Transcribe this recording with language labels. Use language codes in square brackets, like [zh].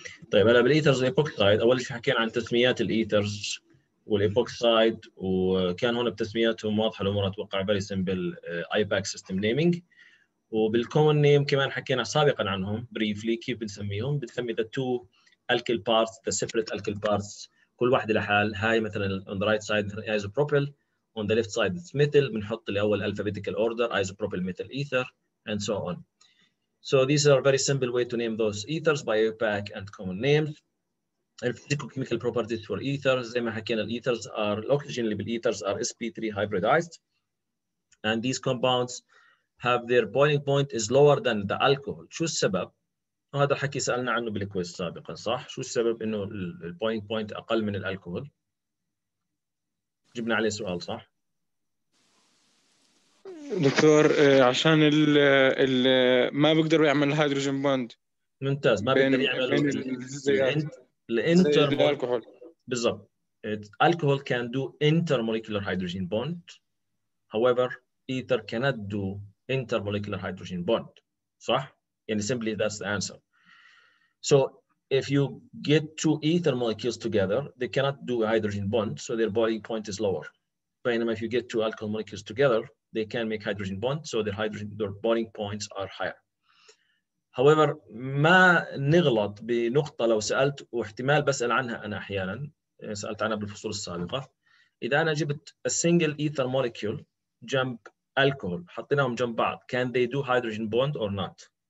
[ar] طيب هلا بالايثرز والايبوكسايد، اول شيء حكينا عن تسميات الايثرز والايبوكسايد، وكان هون بتسمياتهم واضحه الامور اتوقع، [en] very simple IUPAC system naming, [ar] وبالكومن نيم كمان حكينا سابقا عنهم بريفلي كيف بنسميهم، بنسمي [en] the two alkyl parts, the separate alkyl parts, [ar] كل واحد لحال. هاي مثلا [en] on the right side [ar] ايزوبروبيل، [en] on the left side it's methyl, [ar] بنحط الاول [en] alphabetical order [ar] ايزوبروبيل ميثيل ايثر [en] And so on. So these are very simple way to name those ethers by opaque and common names. The physicochemical properties for ethers, [ar] زي ما حكينا [en] الـ ethers are, the oxygen [ar] اللي بالـ [en] ethers are sp3 hybridized. And these compounds have their boiling point is lower than the alcohol. [ar] شو السبب؟ وهذا الحكي سألنا عنه بالكويز سابقا، صح؟ شو السبب انه الـ boiling point أقل من الألكوهول؟ جبنا عليه سؤال، صح؟ دكتور عشان ال ما بيقدروا يعمل الهيدروجين بوند، ممتاز، ما بيقدر يعمل بين الانتر الكحول بالضبط، [en] alcohol can do intermolecular hydrogen bond. However, ether cannot do intermolecular hydrogen bond. So, and simply that's the answer. So if you get two ether molecules together, they cannot do a hydrogen bond, so their boiling point is lower. But if you get two alcohol molecules together, they can make hydrogen bond, so their hydrogen, their boiling points are higher. However, [ar] ما نغلط بنقطة لو سألت واحتمال بسأل عنها أنا أحياناً سألت عنها بالفصول السابقة. إذا أنا جبت [en] a single ether molecule [ar] جنب [en] alcohol [ar] حطيناهم جنب بعض, [en] can they do hydrogen bond or not?